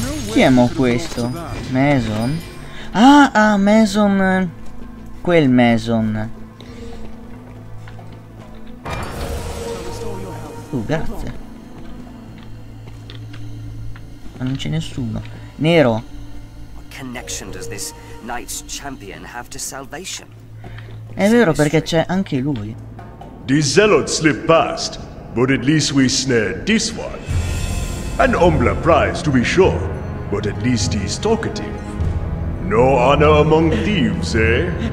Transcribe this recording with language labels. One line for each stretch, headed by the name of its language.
Italian: Chi è mo questo? Mason? Ah, Mason. Quel Mason. grazie. Ma non c'è nessuno. Nero.
English: What connection does this knight's champion have to salvation?
Italian: È vero, perché c'è anche lui.
English: The zealot slipped past, but at least we snared this one. An humbler prize, to be sure, but at least he's talkative. No honor among thieves, eh?